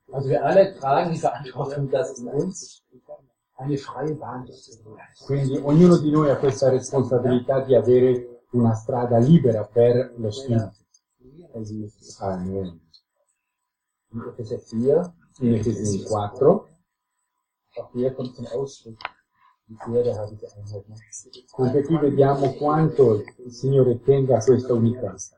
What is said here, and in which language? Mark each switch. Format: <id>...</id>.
<de>Also wir alle tragen die Verantwortung, dass in uns eine freie Bahn ist.</de> <it>Quindi ognuno di noi ha questa responsabilità di avere una strada libera per lo spirito.</it> <de>Amen. In Epheser 4, in Epheser 4, auch hier kommt zum Ausdruck die Ehre der heiligen Einheit.</de> <it>Anche qui vediamo quanto il Signore tenga questa unità.</it>